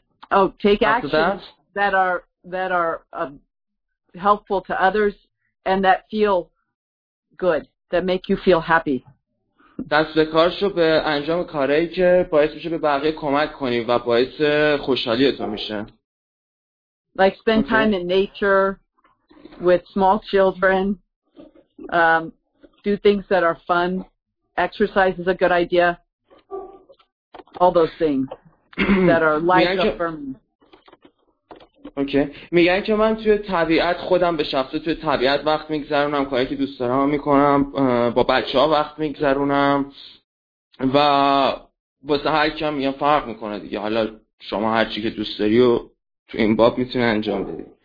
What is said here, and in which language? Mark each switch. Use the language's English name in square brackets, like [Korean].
[English] Oh, take actions that are helpful to others and that feel good, that make you feel happy. [Persian] دست به کار شو به انجام کاری که باعث میشه به بقیه کمک کنی و باعث خوشحالی تو میشه. [English] Like spend time in nature with small children, do things that are fun, exercise is a good idea, all those things that are life affirming. Okay okay. [Persian] میگن که من توی طبیعت خودم به شخصه توی طبیعت وقت میگذرونم، کاری که دوست دارم میکنم، با بچه‌ها وقت میگذرونم و واسه هر کیم میگم فرق میکنه دیگه، حالا شما هر چی که دوست داری و تو این باب میتونی انجام بدی.